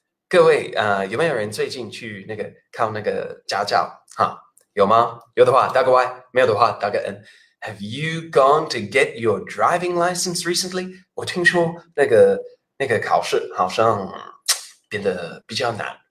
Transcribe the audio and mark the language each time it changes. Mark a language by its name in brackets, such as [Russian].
[Chinese] 各位有没有人最近去那个考那个驾照哈有吗有的话打个 Y, 没有的话打个 N。 [English] Have you gone to get your driving license recently? [Chinese] 我听说那个考试好像变得比较难。